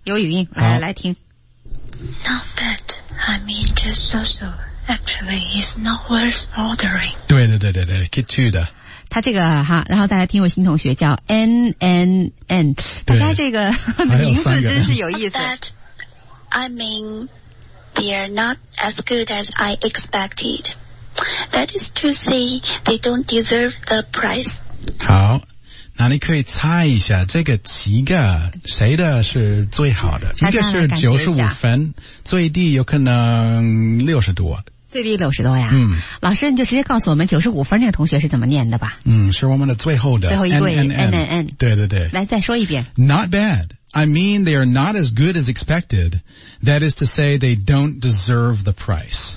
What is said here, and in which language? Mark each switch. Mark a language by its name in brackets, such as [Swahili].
[Chinese] 有语音，来来听。 [English] Not bad. I mean, just so-so. Actually, it's not worth ordering. [Chinese] 对对对对对 ，Kit Chu 的。他这个哈，然后大家听我新同学叫 N N N， 大家这个名字真是有意思。 [English] Not bad. I mean, they're not as good as I expected. That is to say, they don't deserve the price. [Chinese] 好，那你可以猜一下这个七个谁的是最好的？一个是95分，最低有可能60多。最低60多呀？嗯，老师你就直接告诉我们95分那个同学是怎么念的吧？嗯，是我们的最后的最后一位 NNN。 对对对，来再说一遍。 [English] Not bad. I mean they are not as good as expected. That is to say, they don't deserve the price.